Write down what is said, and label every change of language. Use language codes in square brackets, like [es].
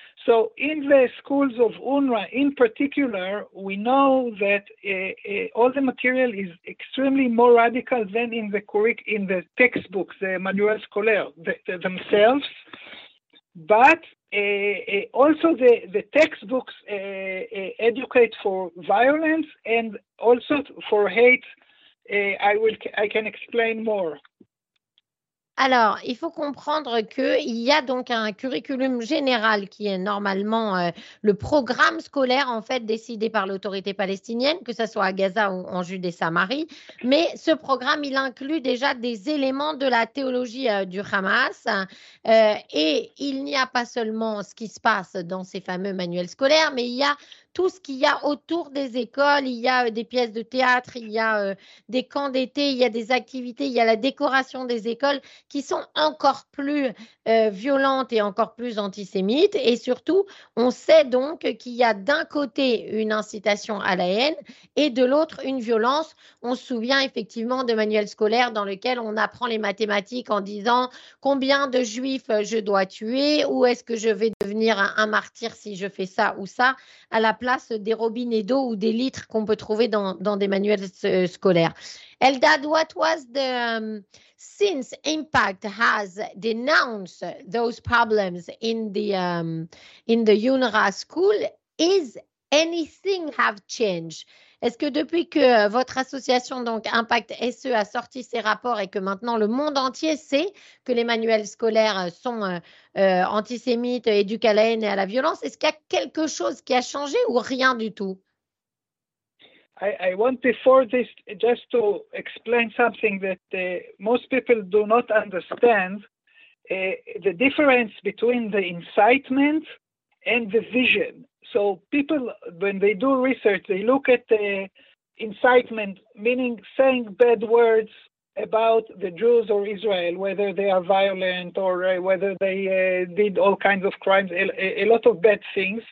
[en] So in the schools of UNRWA in particular, we know that all the material is extremely more radical than in the textbooks, the [fr] manuel scolaire [en] themselves. But also the textbooks educate for violence and also for hate. I can explain more. [fr] Alors, il faut comprendre qu'il y a donc un curriculum général qui est normalement le programme scolaire, en fait, décidé par l'autorité palestinienne, que ce soit à Gaza ou en Judée-Samarie. Mais ce programme, il inclut déjà des éléments de la théologie du Hamas. Et il n'y a pas seulement ce qui se passe dans ces fameux manuels scolaires, mais il y a tout ce qu'il y a autour des écoles. Il y a des pièces de théâtre, il y a des camps d'été, il y a des activités, il y a la décoration des écoles qui sont encore plus violentes et encore plus antisémites. Et surtout, on sait donc qu'il y a d'un côté une incitation à la haine et de l'autre une violence. On se souvient effectivement de manuels scolaires dans lesquels on apprend les mathématiques en disant combien de juifs je dois tuer ou est-ce que je vais devenir un martyr si je fais ça ou ça à la place des robinets d'eau ou des litres qu'on peut trouver dans des manuels scolaires. [en] Eldad, what was the since impact has denounced those problems in the UNRWA school? Is anything have changed? [fr] Est-ce que depuis que votre association, donc Impact SE, a sorti ses rapports et que maintenant le monde entier sait que les manuels scolaires sont antisémites, éduquent à la haine et à la violence, est-ce qu'il y a quelque chose qui a changé ou rien du tout? [en] I want before this just to explain something that most people do not understand, the difference between the incitement and the vision. So people, when they do research, they look at the incitement, meaning saying bad words about the Jews or Israel, whether they are violent or whether they did all kinds of crimes, a lot of bad things.